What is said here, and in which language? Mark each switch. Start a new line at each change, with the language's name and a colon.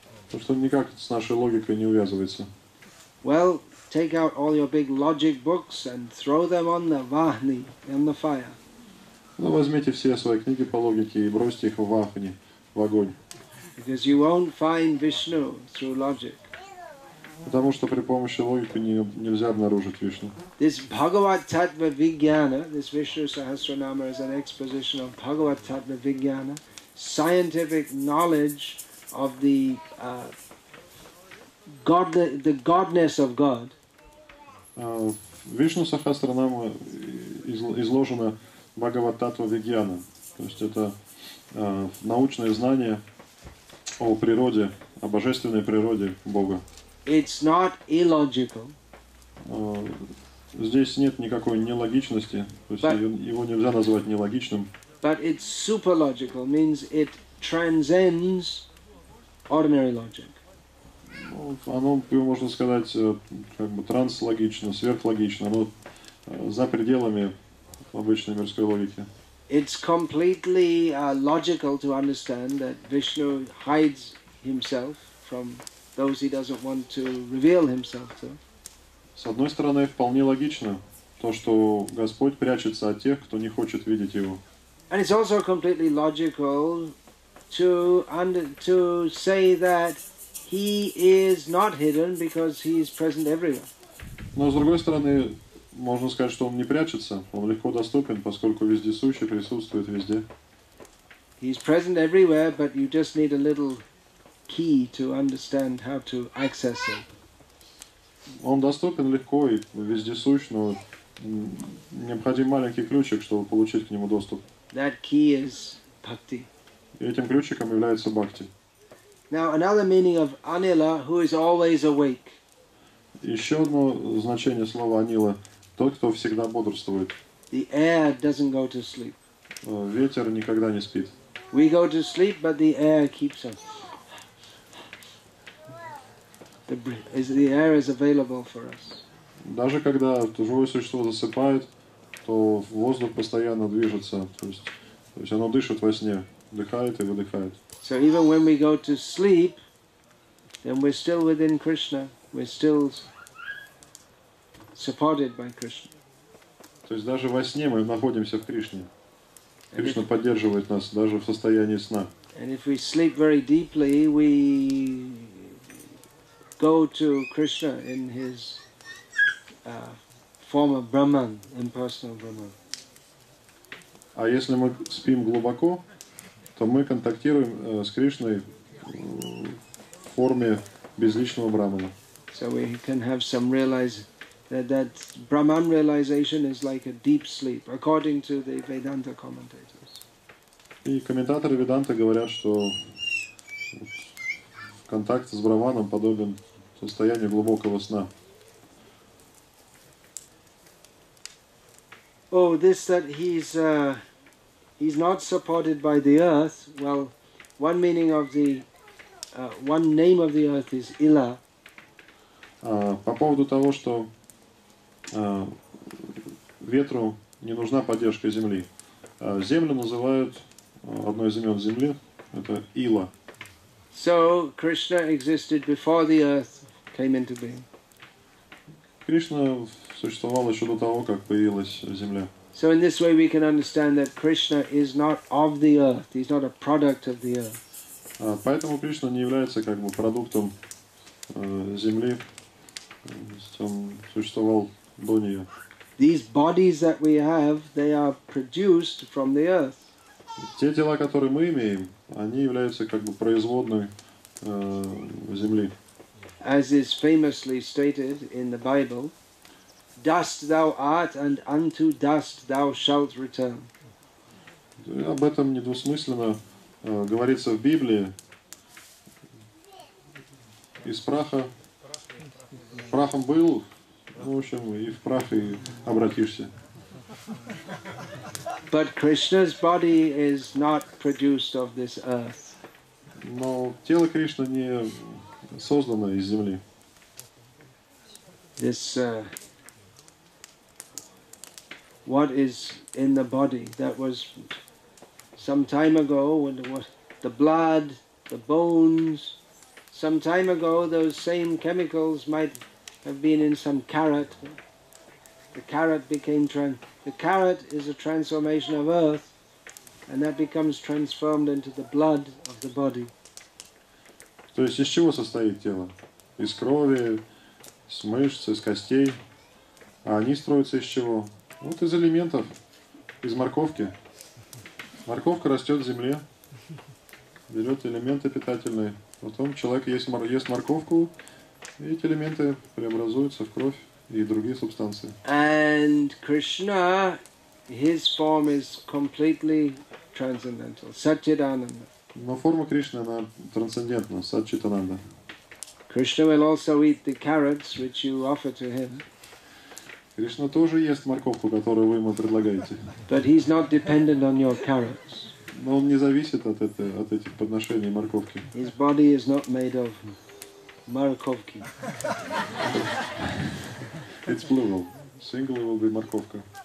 Russian: То, что никак с нашей логикой не увязывается.
English: Well, take out all your big logic books and throw them on the vahni, on the fire.
Russian: Ну, возьмите все свои книги по логике и бросьте их в вахни, в огонь.
English: Because you won't find Vishnu through logic.
Russian: Потому что при помощи логики нельзя обнаружить Вишну.
English: This Bhagavat Tattva Vijnana, this Vishnu Sahasranama is an exposition of Bhagavat Tattva Vijnana, scientific knowledge of the God, the godness of God.
Russian: Вишну Сахасранама изложена Бхагават-таттва Вигьяна. То есть это научное знание о природе, о божественной природе Бога.
English: It's not illogical.
Russian: Здесь нет никакой нелогичности, то есть его нельзя назвать нелогичным.
English: But it's super logical, means it transcends ordinary logic.
Russian: Оно, можно сказать, как бы транслогично, сверхлогично, но за пределами обычной мирской логики.
English: It's completely logical to understand that Vishnu hides himself from those he doesn't want to reveal himself to.
Russian: С одной стороны, вполне логично то, что Господь прячется от тех, кто не хочет видеть его.
English: And it's also completely logical to say that he is not hidden because he is present everywhere.
Russian: Но с другой стороны, можно сказать, что он не прячется, он легко доступен, поскольку вездесущий присутствует везде.
English: He is present everywhere, but you just need a little key to understand how to access him.
Russian: Он доступен легко и вездесущ, но необходим маленький ключик, чтобы получить к нему доступ.
English: That key is bhakti.
Russian: И этим ключиком является бхакти.
English: Now another meaning of anila, who is always awake.
Russian: Еще одно значение слова анила – тот, кто всегда бодрствует.
English: The air doesn't go to sleep.
Russian: Ветер никогда не спит.
English: We go to sleep, but the air keeps us. The air is available for us.
Russian: Даже когда живое существо засыпает, то воздух постоянно движется, то есть оно дышит во сне, дыхает и выдыхает.
English: So even when we go to sleep, then we're still within Krishna, we're still supported by Krishna.
Russian: То есть даже во сне мы находимся в Кришне. Кришна поддерживает нас даже в состоянии сна.
English: And if we sleep very deeply, we go to Krishna in his form of Brahman, impersonal Brahman.
Russian: А если мы спим глубоко, то мы контактируем с Кришной в форме безличного Брахмана.
English: So we can have some realize that Brahman realization is like a deep sleep, according to the Vedanta commentators.
Russian: И комментаторы Веданты говорят, что контакт с Брахманом подобен состояние глубокого сна.
English: Oh, this that he's not supported by the earth. Well, one meaning of the one name of the earth is Ila.
Russian: По поводу того, что ветру не нужна поддержка земли. Землю называют одной из имен земли. Это Ила.
English: So Krishna existed before the earth came into being.
Russian: Кришна существовал еще до того, как появилась земля.
English: So in this way we can understand that Krishna is not of the earth. He's not a product of the earth.
Russian: Поэтому Кришна не является как бы продуктом земли. Он существовал до нее.
English: These bodies that we have, they are produced from the earth.
Russian: Те тела, которые мы имеем, они являются как бы производной земли.
English: As is famously stated in the Bible, dust thou art, and unto dust thou shalt return.
Russian: Об этом недвусмысленно говорится в Библии. Из праха прахом был, и в прах и обратишься.
English: But Krishna's body is not produced of this earth.
Russian: Но тело Кришны не создано из земли.
English: This what is in the body that was some time ago, when the blood, the bones, some time ago those same chemicals might have been in some carrot. The carrot is a transformation of earth, and that becomes transformed into the blood of the body.
Russian: То есть из чего состоит тело? Из крови, из мышц, из костей. А они строятся из чего? Вот из элементов, из морковки. Морковка растет в земле, берет элементы питательные. Потом человек ест морковку, и эти элементы преобразуются в кровь и другие субстанции.
English: And Krishna, his form is completely transcendental. Satchidananda.
Russian: Но форма Кришны, она трансцендентна, Сат-Чит-Ананда.
English: Krishna will also eat the carrots, which you offer to him.
Russian: Кришна тоже ест морковку, которую вы ему предлагаете.
English: But he's not dependent on your carrots.
Russian: Но он не зависит от этого, от этих подношений морковки.
English: His body is not made of морковки. It's plural. Single will be морковка.